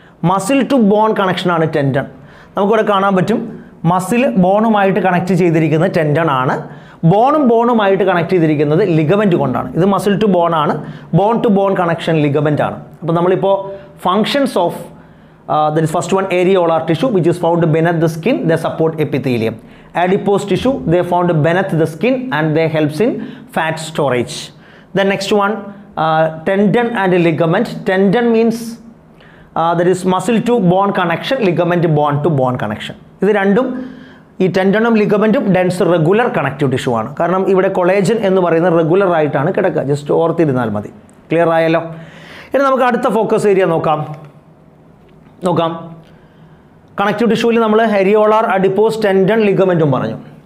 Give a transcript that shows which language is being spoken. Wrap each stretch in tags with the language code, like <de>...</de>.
<ml>Muscle to bone കണക്ഷനാണ് tendon. നമുക്കിവിടെ കാണാൻ പറ്റും, മസിൽ ബോണുമായിട്ട് കണക്ട് ചെയ്തിരിക്കുന്നത് ടെൻഡൺ ആണ്. ബോണും ബോണുമായിട്ട് കണക്ട് ചെയ്തിരിക്കുന്നത് ലിഗമെൻറ്റ് കൊണ്ടാണ്. ഇത് മസിൽ ടു ബോൺ ആണ്, bone to bone connection ligament ആണ്. അപ്പോൾ നമ്മളിപ്പോൾ</ml> <en>Functions of the first one, areolar tissue which is found beneath the skin, the support epithelium. Adipose tissue, they found beneath the skin and they helps in fat storage. The next one, tendon and ligament. Tendon means, that is muscle to bone connection, ligament bone to bone connection.</en> <ml>ഇത് രണ്ടും, ഈ ടെൻഡനും ലിഗമെൻറ്റും dense regular connective tissue ആണ്. കാരണം ഇവിടെ കൊളേജൻ എന്ന് പറയുന്നത് regular ആയിട്ടാണ് കിടക്കുക. ജസ്റ്റ് ഓർത്തിരുന്നാൽ മതി, ക്ലിയർ ആയല്ലോ. ഇനി നമുക്ക് അടുത്ത ഫോക്കസ് ഏരിയ നോക്കാം. നോക്കാം കണക്റ്റീവ് ടിഷ്യൂവിൽ നമ്മൾ ഹെരിയോളാർ, അഡിപോസ്, ടെൻഡൺ, ലിഗമെൻറ്റും പറഞ്ഞു.</ml>